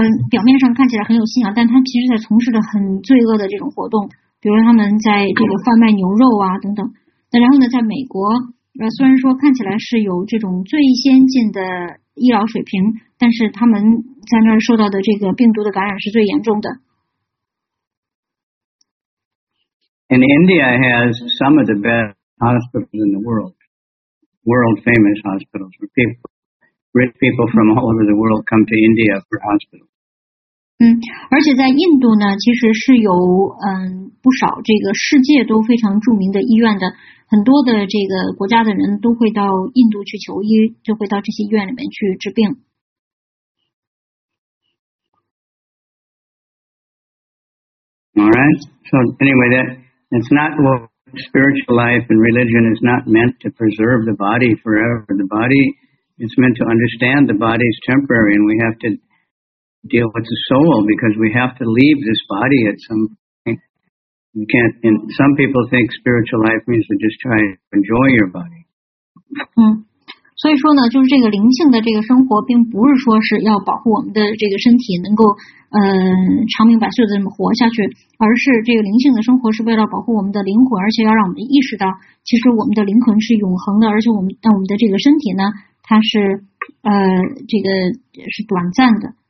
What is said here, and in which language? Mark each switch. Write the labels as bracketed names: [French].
[Chinese] 表面上看起来很有信仰，但他其实在从事着很罪恶的这种活动，比如他们在这个贩卖牛肉啊等等。那然后呢，在美国，虽然说看起来是有这种最先进的医疗水平，但是他们在那儿受到的这个病毒的感染是最严重的。 [English] And India has some of the best hospitals in the world, world famous hospitals, where people, rich people from all over the world come to India for hospitals. [Chinese] 而且在印度呢，其实是有不少这个世界都非常著名的医院的，很多的这个国家的人都会到印度去求医，就会到这些医院里面去治病。 [English] All right. So anyway, that. It's not what spiritual life and religion is not meant to preserve the body forever. The body is meant to understand the body is temporary and we have to deal with the soul because we have to leave this body at some point. You can't, and some people think spiritual life means to just try to enjoy your body. [Chinese] 所以说呢，就是这个灵性的这个生活并不是说是要保护我们的这个身体能够长命百岁的这么活下去，而是这个灵性的生活是为了保护我们的灵魂，而且要让我们意识到其实我们的灵魂是永恒的，而且我们的这个身体呢它是这个是短暂的。